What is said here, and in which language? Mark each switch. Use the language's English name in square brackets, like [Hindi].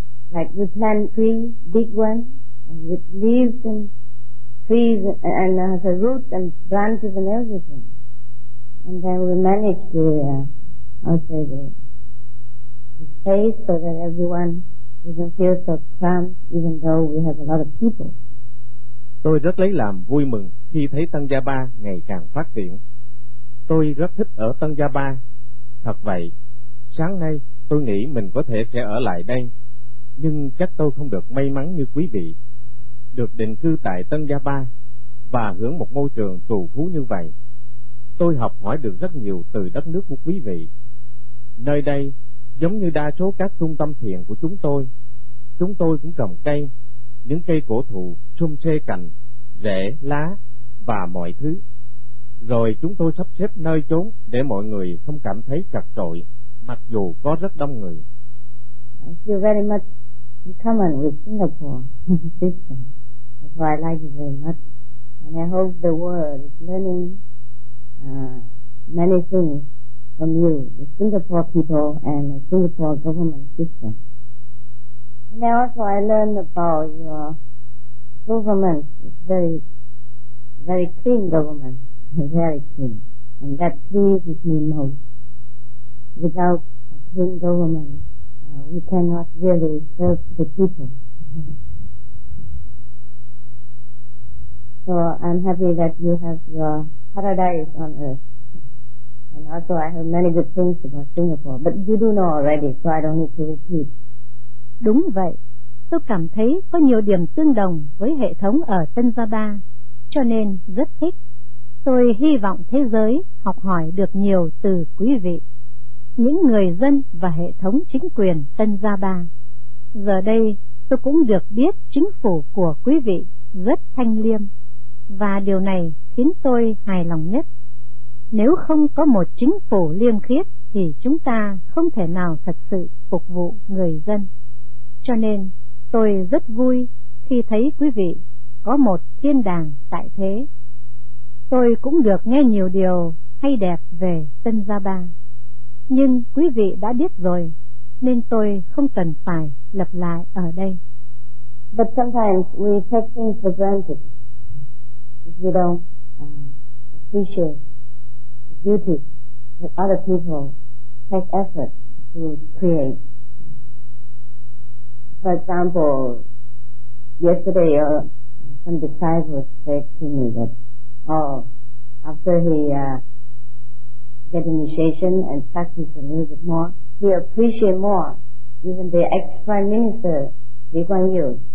[English] Like we plant trees, big ones, and with leaves and trees and has a root and branches and everything. And then we manage the space so that everyone doesn't feel so cramped, even though we have a lot of people. [Vietnamese] Tôi rất lấy làm vui mừng khi thấy Tân Gia Ba ngày càng phát triển. Tôi rất thích ở Tân Gia Ba. Thật vậy, sáng nay tôi nghĩ mình có thể sẽ ở lại đây, nhưng chắc tôi không được may mắn như quý vị, được định cư tại Tân Gia Ba và hưởng một môi trường trù phú như vậy. Tôi học hỏi được rất nhiều từ đất nước của quý vị. Nơi đây, giống như đa số các trung tâm thiền của chúng tôi cũng trồng cây, những cây cổ thụ xum xê cành rễ lá và mọi thứ, rồi chúng tôi sắp xếp nơi chốn để mọi người không cảm thấy chật chội mặc dù có rất đông người. [English] I feel very much in common with Singapore system. That's why I like it very much, and I hope the world is learning many things from you, the Singapore people and the Singapore government system. And also I learned about your government. It's very, very clean government, very clean. And that pleases me most. Without a clean government, we cannot really serve the people. So I'm happy that you have your paradise on earth. And also I have many good things about Singapore, but you do know already, so I don't need to repeat. [Vietnamese] Đúng vậy, tôi cảm thấy có nhiều điểm tương đồng với hệ thống ở Tân Gia Ba, cho nên rất thích. Tôi hy vọng thế giới học hỏi được nhiều từ quý vị, những người dân và hệ thống chính quyền Tân Gia Ba. Giờ đây, tôi cũng được biết chính phủ của quý vị rất thanh liêm, và điều này khiến tôi hài lòng nhất. Nếu không có một chính phủ liêm khiết thì chúng ta không thể nào thật sự phục vụ người dân. Cho nên tôi rất vui khi thấy quý vị có một thiên đàng tại thế. Tôi cũng được nghe nhiều điều hay đẹp về Tân Gia Ba, nhưng quý vị đã biết rồi nên tôi không cần phải lặp lại ở đây. [English] But sometimes we take things for granted. We don't appreciate the beauty that other people take effort to create. For example, yesterday some disciples said to me that, oh, after he get initiation and practice a little bit more, he appreciate more even the ex prime minister Lee Kuan Yew.